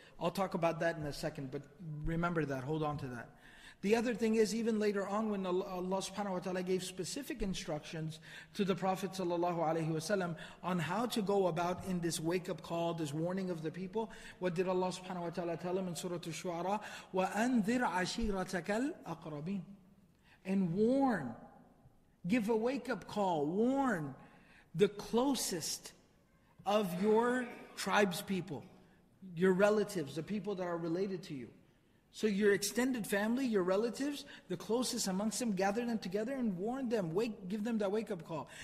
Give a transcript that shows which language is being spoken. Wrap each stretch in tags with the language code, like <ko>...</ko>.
<en>I'll talk about that in a second, but remember that, hold on to that. The other thing is, even later on when Allah subhanahu wa ta'ala gave specific instructions to the Prophet sallallahu alayhi wa sallam on how to go about in this wake-up call, this warning of the people, what did Allah subhanahu wa ta'ala tell him in Surah Ash-Shu'ara?</en> <ar>وَأَنذِرْ عَشِيرَتَكَ الْأَقْرَبِينَ</ar> <en>And warn. Give a wake-up call, warn the closest of your tribe's people, your relatives, the people that are related to you. So your extended family, your relatives, the closest amongst them, gather them together and warn them, give them that wake-up call.</en>